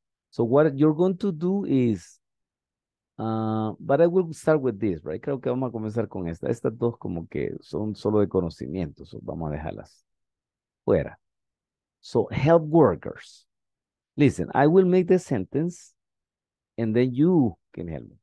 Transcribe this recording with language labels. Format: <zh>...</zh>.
<en>So what you're going to do is, but I will start with this, right?</en> <es>Creo que vamos a comenzar con esta. Estas dos como que son solo de conocimiento, so vamos a dejarlas fuera.</es> <en>So help workers. Listen, I will make the sentence, and then you can help me.</en>